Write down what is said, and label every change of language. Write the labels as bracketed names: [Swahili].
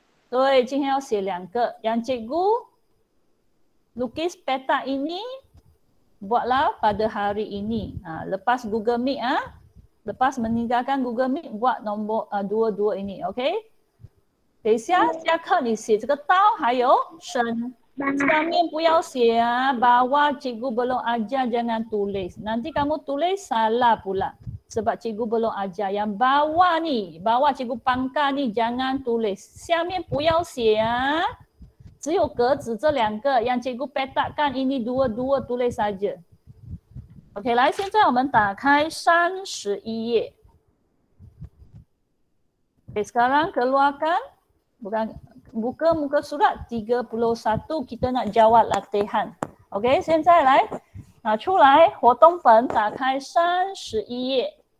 [Chinese] 对，今天要写两个。 [Malay] Yang cikgu lukis peta ini buatlah pada hari ini. Lepas Google Meet, lepas meninggalkan Google Meet, buat nombor dua-dua ini. Okey? [Chinese] Okay.下课你写这个刀， 还有身。上面不要写， [Malay] bawah cikgu belum ajar jangan tulis. Nanti kamu tulis salah pula, sebab cikgu belum ajar. Yang bawah ni, bawah cikgu pangkal ni jangan tulis. [Chinese] 下面不要写， 只有格子这两个， [Malay] yang cikgu petakkan ini dua-dua tulis saja. [Chinese] OK， 来，现在我们打开31页。 [Malay] Okay, sekarang keluarkan, bukan buka muka surat 31, kita nak jawab latihan. [Chinese] Okay, 现在来拿出来活动本，打开31页。